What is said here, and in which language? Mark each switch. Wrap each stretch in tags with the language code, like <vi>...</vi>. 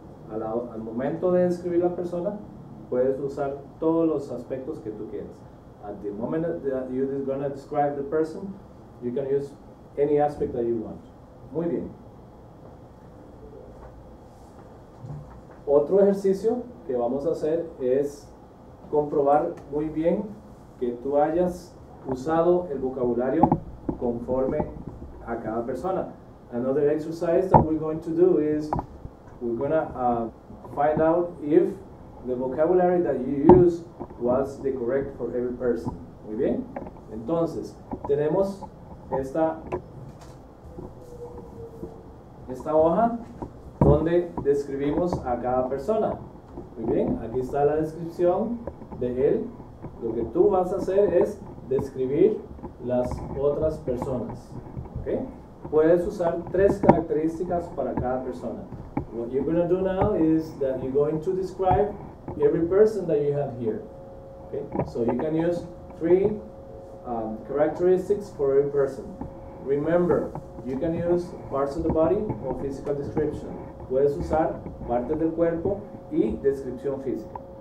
<es>Al momento de describir la persona, puedes usar todos los aspectos que tú quieras.</es> <en>At the moment that you're going to describe the person, you can use any aspect that you want.</en> <es>Muy bien. Otro ejercicio que vamos a hacer es comprobar muy bien que tú hayas usado el vocabulario conforme a cada persona.</es> <en>Another exercise that we're going to do is we're going to find out if the vocabulary that you used was the correct for every person.</en> <es>Muy bien. Entonces, tenemos esta hoja donde describimos a cada persona. Muy bien. Aquí está la descripción de él. Lo que tú vas a hacer es describir las otras personas. Okay? Puedes usar 3 características para cada persona.</es> <en>What you're going to do now is that you're going to describe every person that you have here. Okay? So you can use 3 characteristics for every person. Remember, you can use parts of the body or physical description.</en> <es>Puedes usar partes del cuerpo y descripción física.</es>